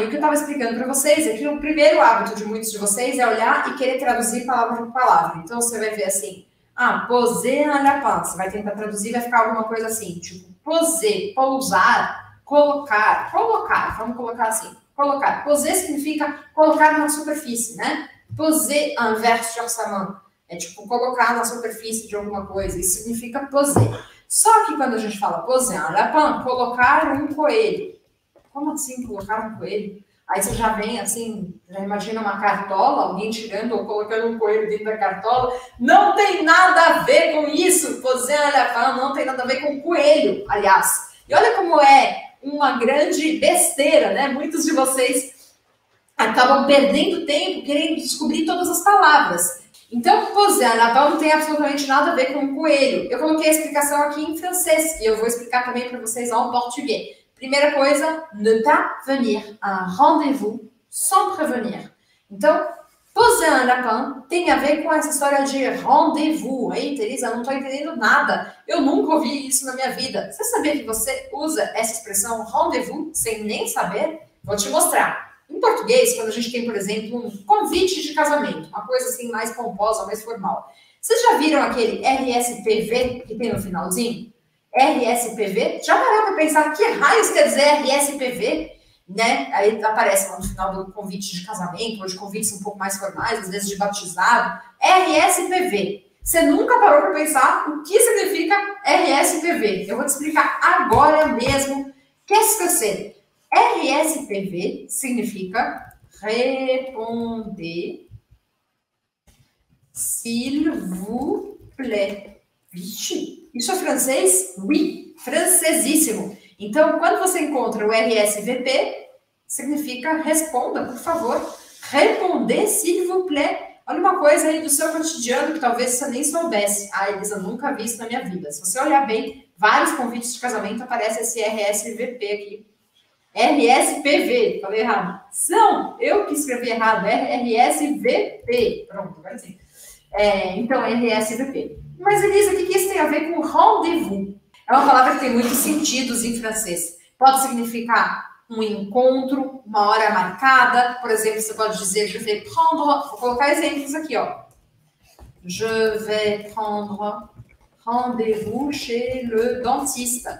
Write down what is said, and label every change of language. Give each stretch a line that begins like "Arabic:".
Portuguese: E o que eu estava explicando para vocês é que o primeiro hábito de muitos de vocês é olhar e querer traduzir palavra por palavra. Então, você vai ver assim. Ah, poser un lapin. Você vai tentar traduzir, vai ficar alguma coisa assim. Tipo, poser, pousar, colocar. Colocar, vamos colocar assim. Colocar. Poser significa colocar na superfície, né?
French: Poser un verre sur sa main.
Portuguese: É tipo colocar na superfície de alguma coisa. Isso significa poser. Só que quando a gente fala poser un lapin, colocar um coelho. Como assim colocar um coelho? Aí você já vem assim, já imagina uma cartola, alguém tirando ou colocando um coelho dentro da cartola. Não tem nada a ver com isso. Poser un lapin não tem nada a ver com coelho, aliás. E olha como é uma grande besteira, né? Muitos de vocês acabam perdendo tempo querendo descobrir todas as palavras. Então, poser un lapin não tem absolutamente nada a ver com coelho. Eu coloquei a explicação aqui em francês e eu vou explicar também para vocês em português. Primeira coisa,
French: ne pas venir à rendez-vous sans prévenir.
Portuguese: Então, poser un lapin tem a ver com essa história de rendez-vous. Ei, Teresa, não estou entendendo nada. Eu nunca ouvi isso na minha vida. Você sabia que você usa essa expressão rendez-vous sem nem saber? Vou te mostrar. Em português, quando a gente tem, por exemplo, um convite de casamento, uma coisa assim mais pomposa, mais formal. Vocês já viram aquele RSPV que tem no finalzinho? RSPV? Já parou para pensar que raios quer dizer RSPV? Né? Aí aparece no final do convite de casamento, ou de convites um pouco mais formais, às vezes de batizado. RSPV. Você nunca parou para pensar o que significa RSPV? Eu vou te explicar agora mesmo. Quer esquecer? RSPV significa
French: Répondez s'il vous plaît.
Portuguese: Vixe, isso é francês? Oui, francesíssimo. Então, quando você encontra o RSVP, significa responda, por favor.
French: Répondez s'il vous plaît.
Portuguese: Olha uma coisa aí do seu cotidiano que talvez você nem soubesse. Ah, Elisa, nunca vi isso na minha vida. Se você olhar bem, vários convites de casamento aparece esse RSVP aqui. RSPV, falei errado. Não, eu que escrevi errado, RSVP. Pronto, agora sim. É, então, RSVP. Mas, Elisa, o que isso tem a ver com rendez-vous? É uma palavra que tem muitos sentidos em francês. Pode significar um encontro, uma hora marcada. Por exemplo, você pode dizer,
French: je vais prendre,
Portuguese: vou colocar exemplos aqui, ó.
French: Je vais prendre rendez-vous chez le dentiste.